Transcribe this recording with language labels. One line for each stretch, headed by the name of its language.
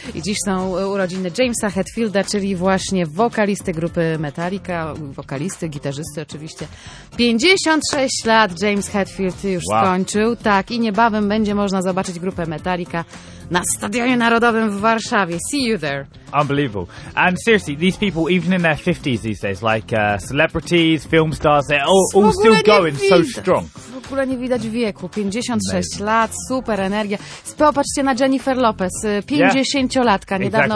Polish: I dziś są urodziny Jamesa Hetfielda, czyli właśnie wokalisty grupy Metallica, wokalisty, gitarzysty oczywiście. 56 lat James Hetfield już skończył. Wow. Tak, i niebawem będzie można zobaczyć grupę Metallica na Stadionie Narodowym w Warszawie.
English: See you there. Unbelievable. And seriously, these people, even in their 50s these days, like celebrities, film stars, they're all still going so strong.
Polish: W ogóle nie widać wieku. 56 Amazing. Lat, super energia. Popatrzcie na Jennifer Lopez, 50-latka, niedawno